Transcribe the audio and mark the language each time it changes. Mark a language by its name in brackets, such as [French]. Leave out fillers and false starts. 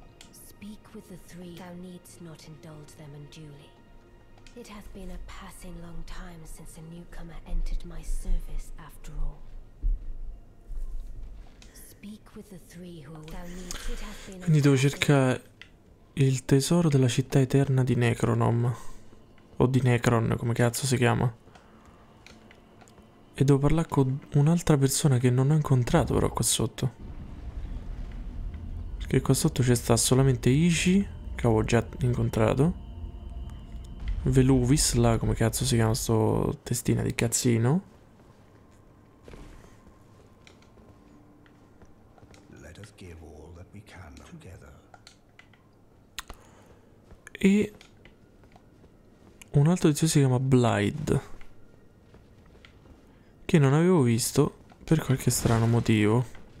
[English] Speak with the three. Thou needst not indulge them unduly. It hath been a passing long time since a newcomer entered my service, after all. Speak with the three who are thou need. [Italian] Quindi devo cercare il tesoro della città eterna di Necronom. O di Necron, come cazzo si chiama. E devo parlare con un'altra persona che non ho incontrato però qua sotto. Perché qua sotto c'è sta solamente Ishii, che avevo già incontrato. Veluvis, là, come cazzo si chiama sto testina di cazzino. [English] Let us give all that we can together. [Italian] E un altro tizio si chiama Blythe, che non avevo visto per qualche strano motivo.